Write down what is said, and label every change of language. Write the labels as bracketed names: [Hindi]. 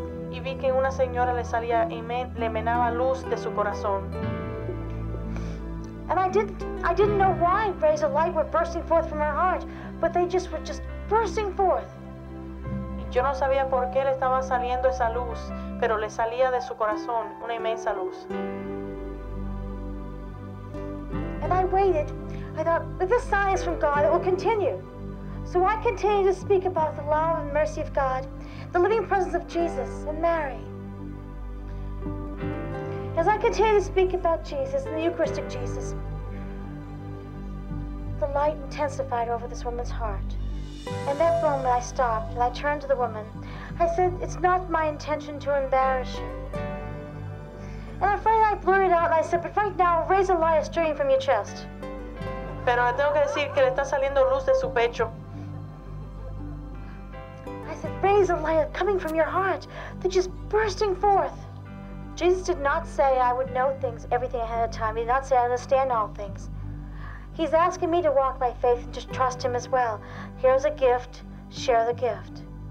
[Spanish] Y vi que una señora le salía y le emanaba luz de su corazón. [English] And I didn't know why rays of light were bursting forth from her heart, but they just were just bursting forth. [Spanish] Y yo no sabía por qué le estaba saliendo esa luz, pero le salía de su corazón una inmensa luz. [English] And I waited. I thought, but this sign is from God, it will continue. So I continued to speak about the love and mercy of God, the living presence of Jesus and Mary. As I continued to speak about Jesus and the Eucharistic Jesus, the light intensified over this woman's heart. And that moment I stopped and I turned to the woman. I said, it's not my intention to embarrass you. And I finally blurted out and I said, but right now, raise a light streaming from your chest. [Spanish] Pero le tengo que decir que le está saliendo luz de su pecho. [English] I said, raise a light coming from your heart. They're just bursting forth. Jesus did not say I would know things, everything ahead of time. He did not say I understand all things. He's asking me to walk by faith and just trust him as well. Here's a gift, share the gift.